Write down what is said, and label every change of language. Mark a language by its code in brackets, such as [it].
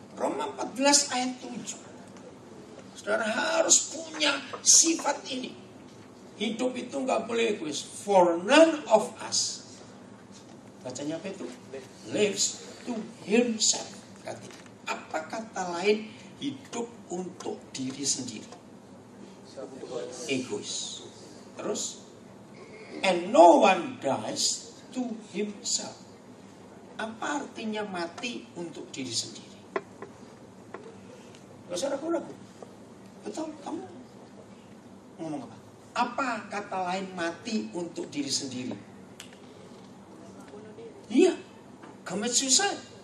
[id] Roma 14 ayat 7. Saudara harus punya sifat ini. Hidup itu gak boleh egois. [en] For none of us. [id] Bacanya apa itu? [en] Lives to himself. [id] Berarti, apa kata lain hidup untuk diri sendiri? Egois. [en] Terus, and no one dies to himself. [id] Apa artinya mati untuk diri sendiri? Bisa ragu-ragu? Betul, kamu ngomong apa? Apa kata lain mati untuk diri sendiri? [en] Iya, commit suicide.